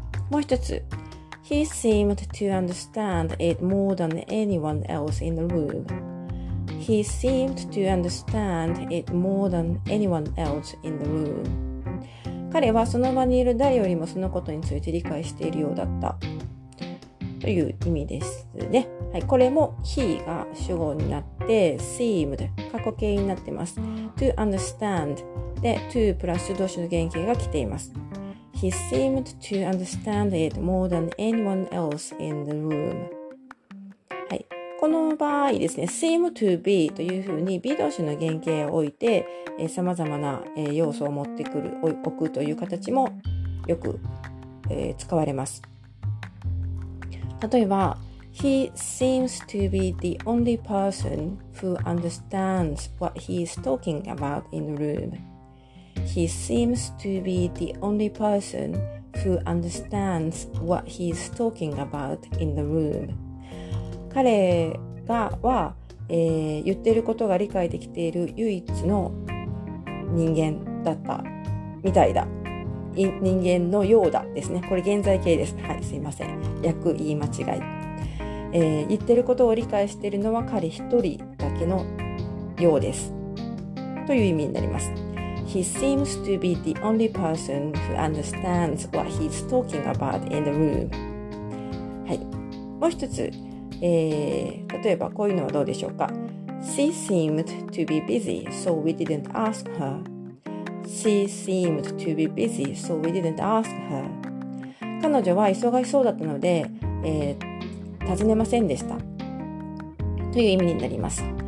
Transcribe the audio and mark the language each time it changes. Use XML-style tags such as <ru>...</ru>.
<ja>もう一つ、</ja> <en>he seemed to understand it more than anyone else in the room. He seemed to understand it more than anyone else in the room.</en> <ja>彼はその場にいる誰よりもそのことについて理解しているようだった。という意味ですね。はい。これも he が主語になって seemed 過去形になっています。 to understand で to プラス動詞の原形が来ています。</ja> <en>he seemed to understand it more than anyone else in the room。</en> <ja>はい。この場合ですね、seem to be というふうに be 動詞の原形を置いて、様々な要素を持ってくる、置くという形もよく、使われます。例えば、</ja> <en>He seems to be the only person who understands what he is talking about in the room. He seems to be the only person who understands what he is talking about in the room.</en> <ja>彼がは、言ってることが理解できている唯一の人間だったみたいだ。人間のようだですね。これ現在形です。はい、すいません。訳言い間違い、言ってることを理解しているのは彼一人だけのようですという意味になります。</ja> <en>He seems to be the only person who understands what he's talking about in the room。</en> <ja>はい、もう一つ、例えばこういうのはどうでしょうか。</ja> <en>She seemed to be busy, so we didn't ask herShe seemed to be busy, so we didn't ask her.</en> <ja>彼女は忙しそうだったので、尋ねませんでした。という意味になります。</ja>